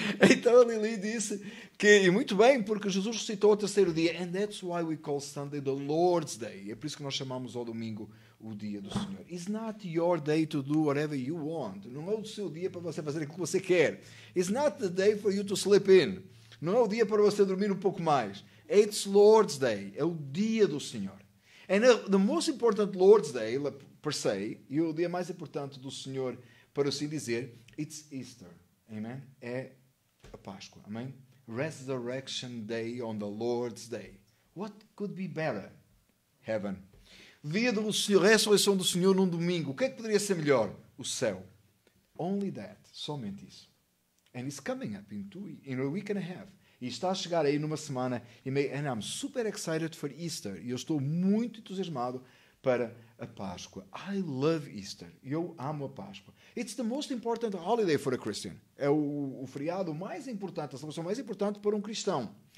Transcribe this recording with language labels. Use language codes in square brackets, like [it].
[pt] Então a Lili disse que, e muito bem, porque Jesus ressuscitou ao terceiro dia. [en] And that's why we call Sunday the Lord's Day. [pt] É por isso que nós chamamos ao domingo o dia do Senhor. [en] It's not your day to do whatever you want. [pt] Não é o seu dia para você fazer aquilo que você quer. [en] It's not the day for you to sleep in. [pt] Não é o dia para você dormir um pouco mais. [en] It's Lord's Day, [pt] é o dia do Senhor. [en] And the most important Lord's Day, per se, [pt] e o dia mais importante do Senhor, para assim dizer, [en] it's Easter, amen? [pt] É a Páscoa, amém? [en] Resurrection Day on the Lord's Day. What could be better? Heaven. [pt] Dia do Senhor, ressurreição do Senhor num domingo. O que é que poderia ser melhor? O céu. [en] Only that, [pt] somente isso. [en] And it's coming up in a week and a half. [pt] E está a chegar aí numa semana e meio. [en] And I'm super excited for Easter. [pt] E eu estou muito entusiasmado para a Páscoa. [en] I love Easter. [pt] Eu amo a Páscoa. [en] It's the most important holiday for a Christian. [pt] É o feriado mais importante, a celebração mais importante para um cristão.